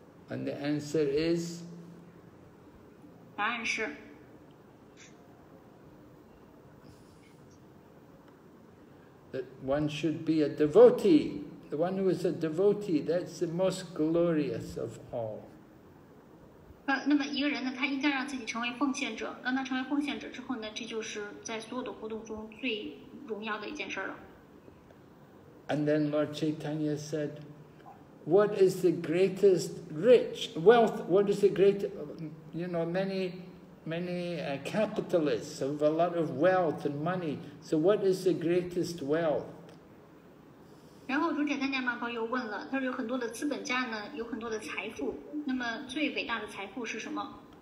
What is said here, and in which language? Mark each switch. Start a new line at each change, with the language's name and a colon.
English: And the answer is.
Chinese: 答案是。
English: That one should be a devotee. The one who is a devotee, that's the most glorious of all.
Chinese: 那么一个人呢，他应该让自己成为奉献者。当他成为奉献者之后呢，这就是在所有的活动中最荣耀的一件事了。
English: And then Lord Chaitanya said, "What is the greatest rich wealth? What is the great, you know, many?" Many capitalists have a lot of wealth and money. So what is the greatest wealth?
Chinese: 然后主持人参加马宝又问了，他说有很多的资本家呢，有很多的财富，那么最伟大的财富是什么？